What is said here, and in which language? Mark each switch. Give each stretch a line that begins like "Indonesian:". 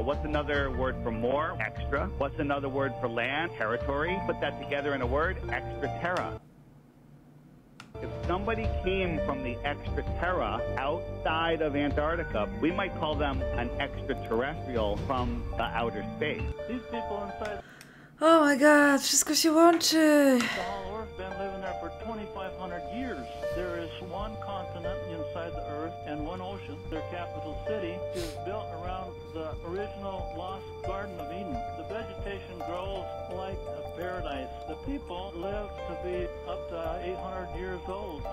English: What's another word for more? Extra. What's another word for land? Territory. Put that together in a word. Extra terra. If somebody came from the extra terra outside of Antarctica, we might call them an extraterrestrial from the outer space. These people inside. Oh my god,
Polish: wszystko się łączy.
English: Earth been living there for 2500 years. There is one continent inside the Earth and one ocean. Their capital city is built around the original lost Garden of Eden. The vegetation grows like a paradise. The people live to be up to 800 years old.